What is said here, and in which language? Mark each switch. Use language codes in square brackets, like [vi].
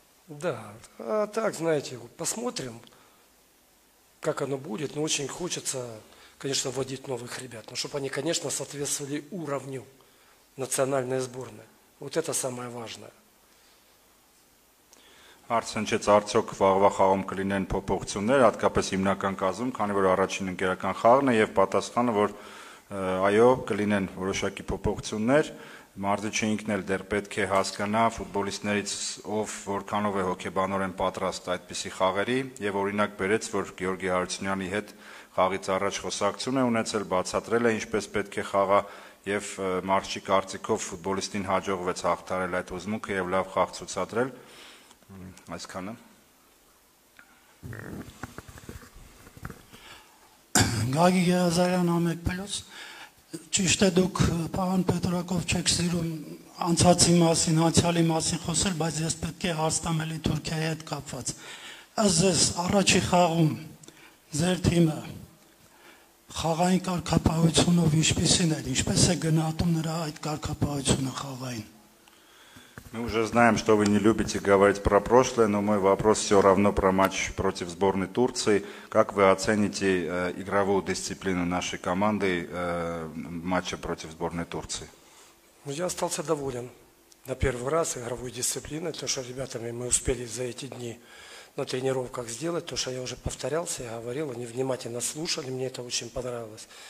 [ru] Да, а так, знаете, посмотрим, как оно будет. Но очень хочется, конечно, вводить новых ребят. Но чтобы они, конечно, соответствовали уровню национальной сборной. Вот это самое важное. [hy] Արցենջեց արդյոք վաղվա խաղում կլինեն փոփոխություններ, հատկապես հիմնական կազմում, քանի որ առաջին ընկերական խաղն է, և պատասխանը, որ այո, կլինեն որոշակի փոփոխություններ, մարզիչը ինքն էլ դեռ պետք է հասկանա ֆուտբոլիստներից ով որքանով է հոգեբանորեն պատրաստ այդպիսի խաղերի, և օրինակ բերեց, որ Գյորգի Հարությունյանի հետ խաղից առաջ խոսակցություն է ունեցել, բացատրել է, ինչպես պետք է խաղա, և մարզիչի կարծիքով ֆուտբոլիստին հաջողվեց հաղթարել այդ ուզմունքը և լավ խաղ ցուցադրել. Այսքանը։ Գագիկ Եղազարյան, ԱՄԵԿ Փլուս։ Ճիշտ է, դուք պարոն Պետրակով չեք սիրում անցածի մասին, անցյալի մասին խոսել, բայց ես պետք է հարցնեմ էլի Թուրքիայի հետ կապված։ Ըստ ձեզ առաջի խաղում ձեր թիմը խաղային կարգապահությունով ինչպիսին էր, ինչպես է գնահատում նրա այդ կարգապահությունը խաղային։ [ru] Мы уже знаем, что вы не любите говорить про прошлое, но мой вопрос все равно про матч против сборной Турции. Как вы оцените игровую дисциплину нашей команды в матче против сборной Турции? Я остался доволен на первый раз игровой дисциплиной, то, что ребятами мы успели за эти дни на тренировках сделать, то, что я уже повторялся и говорил, они внимательно слушали, мне это очень понравилось.